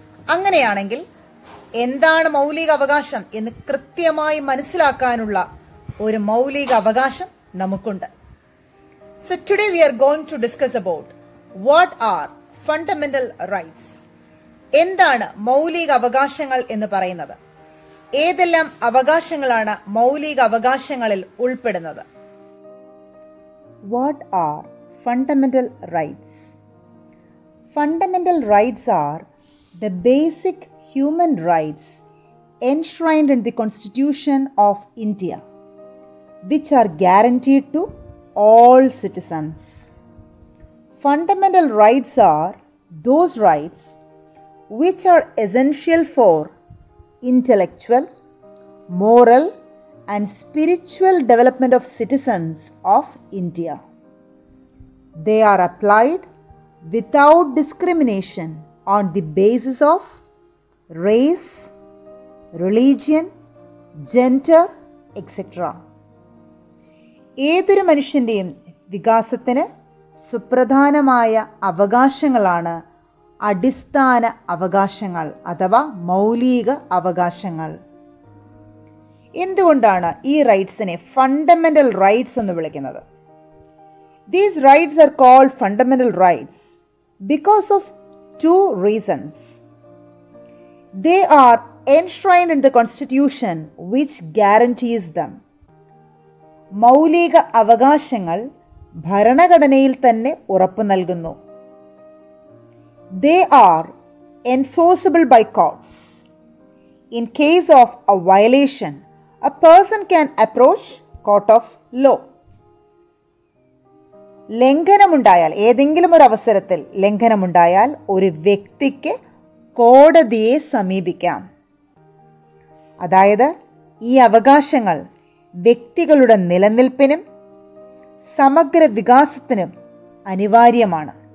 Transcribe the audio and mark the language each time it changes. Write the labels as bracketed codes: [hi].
[ml] അങ്ങനെയാണെങ്കിൽ എന്താണ് മൗലിക അവകാശം എന്ന് കൃത്യമായി മനസ്സിലാക്കാനുള്ള ഒരു മൗലിക അവകാശം നമുക്കുണ്ട്. [en] So today we are going to discuss about what are fundamental rights. [ml] എന്താണ് മൗലിക അവകാശങ്ങൾ എന്ന് പറയുന്നത്? ഏതെല്ലാം അവകാശങ്ങളാണ് മൗലിക അവകാശങ്ങളിൽ ഉൾപ്പെടുന്നത്? [en] What are fundamental rights? Fundamental rights are the basic human rights enshrined in the Constitution of India, which are guaranteed to all citizens. Fundamental rights are those rights which are essential for intellectual, moral, and spiritual development of citizens of India. They are applied without discrimination on the basis of race, religion, gender, etc. [ml] ഏതൊരു മനുഷ്യന്റെയും വികാസത്തിന് സുപ്രധാനമായ അവകാശങ്ങളാണ് അടിസ്ഥാന അവകാശങ്ങൾ അഥവാ മൗലിക അവകാശങ്ങൾ. എന്തുകൊണ്ടാണ് ഈ റൈറ്റ്സിനെ ഫണ്ടമെന്റൽ റൈറ്റ്സ് എന്ന് വിളിക്കുന്നത്? [en] These rights are called fundamental rights because of two reasons. They are enshrined in the constitution which guarantees them. [ml] മൗലിക അവകാശങ്ങൾ ഭരണഘടനയിൽ തന്നെ ഉറപ്പു നൽകുന്നു. [en] They are enforceable by courts. In case of a violation, a person can approach court of law. [ml] ലംഘനം ഉണ്ടായാൽ, ഏതെങ്കിലും ഒരു അവസരത്തിൽ ലംഘനം ഉണ്ടായാൽ ഒരു വ്യക്തിക്ക് കോടതിയെ സമീപിക്കാം. അതായത് ഈ അവകാശങ്ങൾ വ്യക്തികളുടെ നിലനിൽപ്പിനും സമഗ്ര വികാസത്തിനും അനിവാര്യമാണ്.